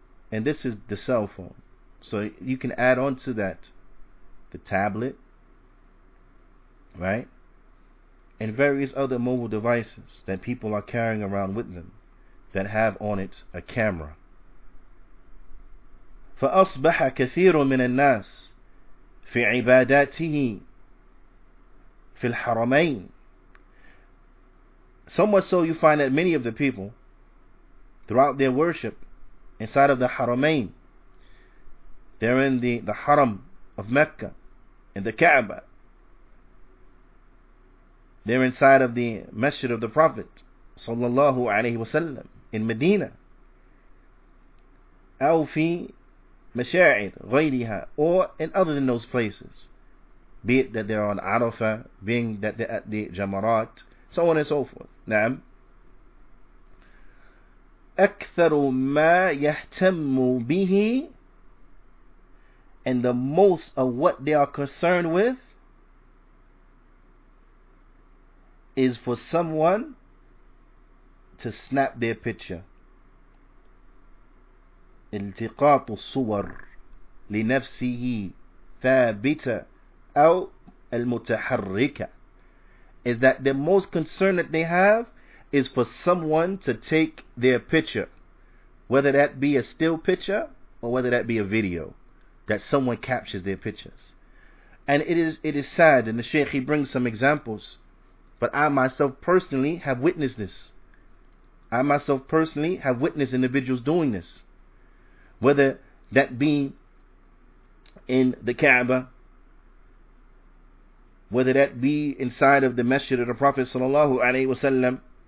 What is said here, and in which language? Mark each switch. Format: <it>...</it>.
<en>And this is the cell phone. So you can add on to that the tablet, right? And various other mobile devices that people are carrying around with them that have on it a camera.</en> <ar>فأصبح كثير من الناس في عباداته في الحرمين.</ar> <en>So much so, you find that many of the people throughout their worship inside of the Haramain, they're in the Haram of Mecca and the Kaaba, they're inside of the Masjid of the Prophet sallallahu alayhi wasallam in Medina,</en> <ar>أو في مشاعر غيرها,</ar> <en>or in other than those places, be it that they're on Arafah, being that they're at the Jamarat, so on and so forth.</en> <ar>نعم. أكثر ما يهتم به,</ar> <en>and the most of what they are concerned with is for someone to snap their picture.</en> <ar>التقاط الصور لنفسه ثابتة أو المتحركة.</ar> <en>Is that the most concern that they have is for someone to take their picture, whether that be a still picture or whether that be a video, that someone captures their pictures. And it is sad, and the Shaykh, he brings some examples, but I myself personally have witnessed individuals doing this, whether that be in the Kaaba, whether that be inside of the Masjid of the Prophet sallallahu alaihi wasallam,</en>